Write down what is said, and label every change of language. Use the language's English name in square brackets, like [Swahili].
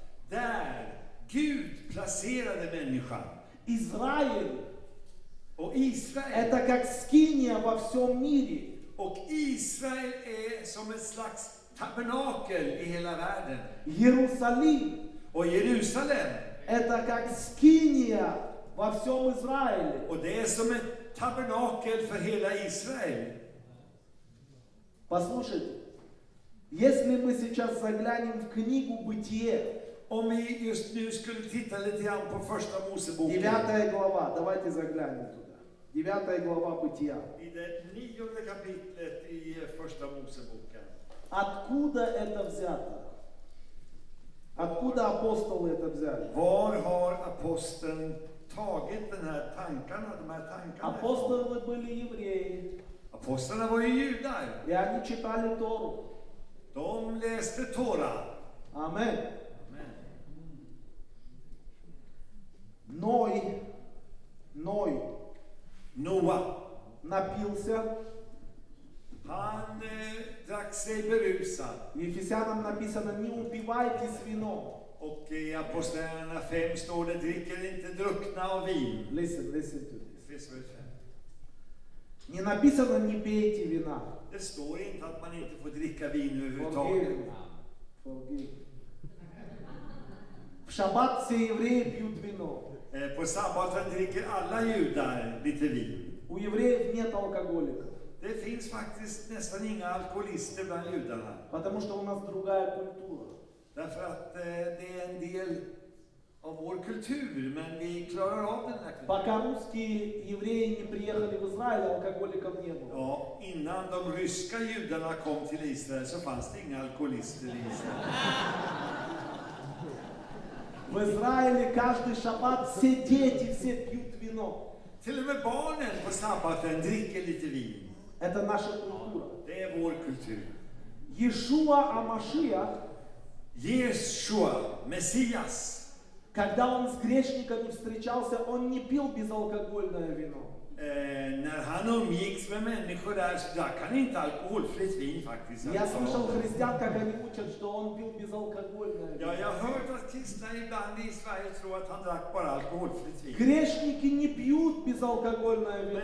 [Swedish] Där Gud placerade människan. [Russian] Израиль. [Swedish] Och Israel. [Russian] Это как скиния во всем мире. [Swedish] Och Israel är som ett slags tabernakel i hela världen. [Russian] Jerusalem. [Swedish] Och Jerusalem. [Russian] Это как скиния во всем Израиле. [Swedish] Och det är som ett tabernakel för hela Israel. [Russian] Послушайте, если мы сейчас заглянем в книгу Бытие. [Swedish] Om vi just nu skulle titta lite grann på första Moseboken. [Russian] 9 глава, давайте заглянем туда. 9 глава Бытия. [Swedish] I det 9 kapitlet i första Moseboken. [Russian] Откуда это взято? Откуда апостолы это взяли? [Swedish] Var har aposteln tagit den här tankarna, de här tankarna? [Russian] Апостолы были евреи. Апостолы были [Swedish] judar. [Russian] И они читали Тору. [Swedish] De läste Тора. [Russian] Амен. Ной. Ной. [Swedish] Ноа. [Russian] Напился. [Swedish] Han drack sig berusad. I Efesierbrevet [Russian] написано, не упивайтесь вином. [Swedish] Och i Apostlagärningarna 5 står det, dricker inte druckna av vin. [English] Listen to this. [Russian] Не написано, не пейте вина. [Swedish] Det står inte att man inte får dricka vin överhuvudtaget. [English] Forgive. [Russian] В шаббат все евреи пьют вино. [Swedish] På sabbaten dricker alla judar lite vin. [Russian] У евреев нет алкоголиков. [Swedish] Det finns faktiskt nästan inga alkoholister bland judarna. [Russian] Потому что у нас другая культура. [Swedish] Därför att det är en del av vår kultur, men vi klarar av den här kulturen. [Russian] Пока русские евреи не приехали в Израиль, алкоголиков не было. [Swedish] Ja, innan de ryska judarna kom till Israel så fanns det inga alkoholister i Israel. [Russian] В Израиле каждый шаббат все дети все пьют вино. [Swedish] Till och med barnen på sabbaten dricker lite vin. [Russian] Это наша культура. [Swedish] Det är vår kultur. [Russian] Yeshua Амашия. [Swedish] Yeshua, Messias. [Russian] Когда он с грешниками встречался, он не пил безалкогольное вино. [Swedish] När han umgicks med människor där så drack han inte alkoholfritt vin faktiskt. [Russian] Jag слышал христиан, как они учат, что он пил безалкогольное. [Swedish] Ja, jag har hört att kristna ibland i Sverige tror att han drack bara alkoholfritt vin. [Russian] Грешники не пьют безалкогольное вино.